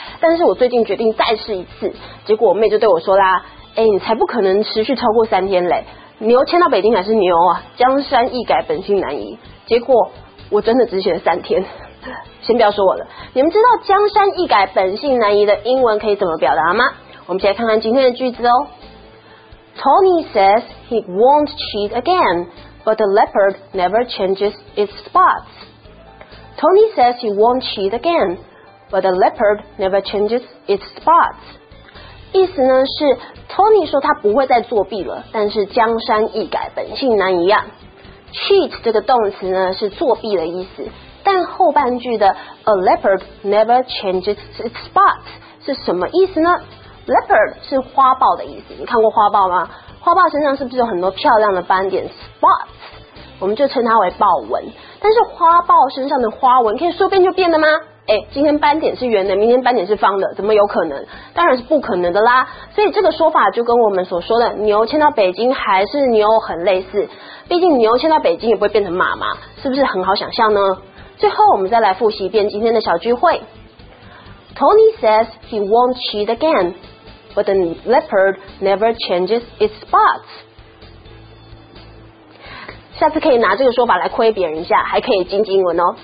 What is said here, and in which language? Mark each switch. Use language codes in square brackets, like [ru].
[zh] 但是我最近决定再试一次，结果我妹就对我说啦，欸，你才不可能持续超过三天嘞。牛迁到北京还是牛啊，江山易改，本性难移。结果我真的只写了三天，先不要说我了。你们知道江山易改，本性难移的英文可以怎么表达吗？我们先来看看今天的句子哦。 [en] Tony says he won't cheat again, but the leopard never changes its spots. Tony says he won't cheat again, but the leopard never changes its spots. [zh] 意思呢是 Tony 说他不会再作弊了，但是江山易改，本性难移啊。 Cheat 这个动词呢是作弊的意思，但后半句的 [en] A leopard never changes its spots [zh] 是什么意思呢？ Leopard 是花豹的意思，你看过花豹吗？花豹身上是不是有很多漂亮的斑点 spots， 我们就称它为豹纹。但是花豹身上的花纹可以说变就变的吗？哎，今天斑点是圆的，明天斑点是方的，怎么有可能？当然是不可能的啦。所以这个说法就跟我们所说的牛迁到北京还是牛很类似，毕竟牛迁到北京也不会变成马嘛，是不是很好想象呢？最后我们再来复习一遍今天的小聚会。 [en] Tony says he won't cheat again, but the leopard never changes its spots. [zh] 下次可以拿这个说法来亏别人一下，还可以精进英文哦。